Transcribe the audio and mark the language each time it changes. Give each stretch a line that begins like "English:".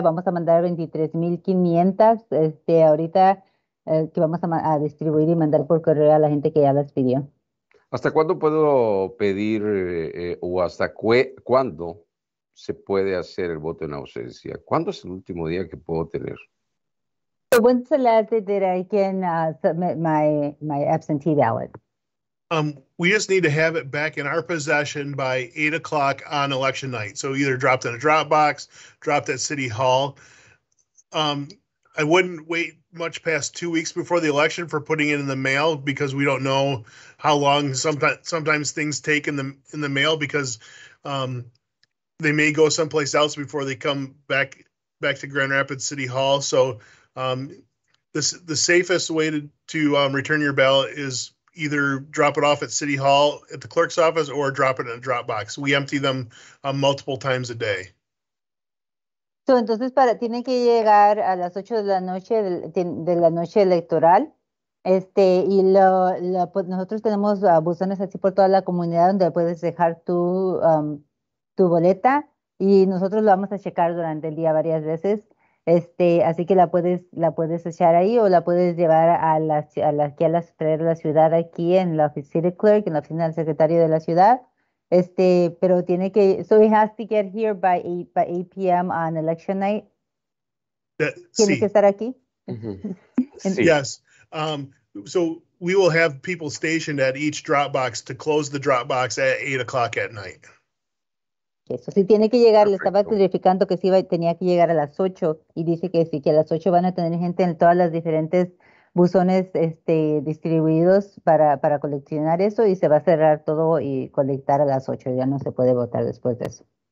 Spanish: Vamos a mandar 23,500 ahorita que vamos a distribuir y mandar por correo a la gente que ya las pidió. ¿Hasta cuándo puedo pedir o hasta cuándo se puede hacer el voto en ausencia? ¿Cuándo es el último día que puedo tener?
English: So when's the last day that I can submit my absentee ballot? We just need to have it back in our possession by 8:00 on election night. So either dropped in a drop box, dropped at City Hall. I wouldn't wait much past 2 weeks before the election for putting it in the mail, because we don't know how long sometimes things take in the mail, because they may go someplace else before they come back to Grand Rapids City Hall. So the safest way to return your ballot is either drop it off at City Hall at the clerk's office or drop it in a drop box. We empty them multiple times a day.
Spanish: So, entonces tiene que llegar a las 8 de la noche de la noche electoral. Y nosotros tenemos buzones así por toda la comunidad donde puedes dejar tu boleta, y nosotros lo vamos a checar durante el día varias veces. Así que la puedes echar ahí, o la puedes llevar traer a la ciudad aquí en la oficina del clerk, en la oficina del secretario de la ciudad. Pero tiene que,
English: so he has to get here by 8 p.m. on election night.
Spanish: Tiene que estar aquí.
English: Mm-hmm. Yes. So we will have people stationed at each drop box to close the drop box at 8:00 at night.
Spanish: Eso sí tiene que llegar. Perfecto. Le estaba verificando que tenía que llegar a las 8, y dice que sí, que a las 8 van a tener gente en todas las diferentes buzones distribuidos para coleccionar eso, y se va a cerrar todo y colectar a las 8, ya no se puede votar después de eso.